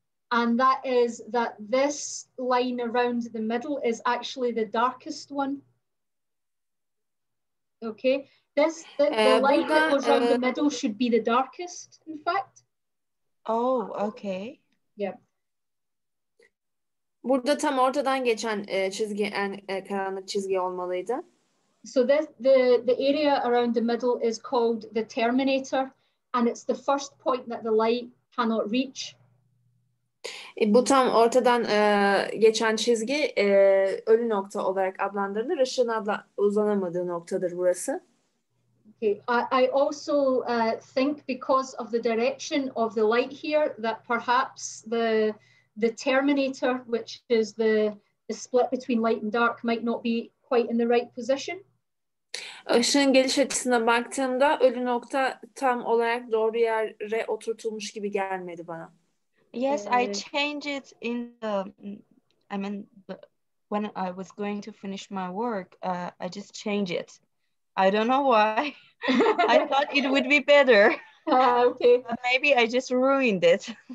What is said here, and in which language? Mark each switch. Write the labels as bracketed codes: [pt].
[en] And that is that this line around the middle is actually the darkest one. Okay. The line that goes around the middle should be the darkest, in fact. Oh, okay. Yeah. [tr] Burada tam ortadan geçen çizgi en karanlık çizgi olmalıydı. [en] So the area around the middle is called the terminator, and it's the first point that the light cannot reach. [tr] Bu tam ortadan geçen çizgi ölü nokta olarak adlandırılır. Işığın uzanamadığı noktadır burası. [en] I also think because of the direction of the light here that perhaps the terminator, which is the split between light and dark, might not be quite in the right position. [tr] Işığın geliş açısına baktığımda ölü nokta tam olarak doğru yere oturtulmuş gibi gelmedi bana. [en] Yes, I changed it in the, I mean, when I was going to finish my work, I just changed it. I don't know why. I thought it would be better. Okay. But maybe I just ruined it.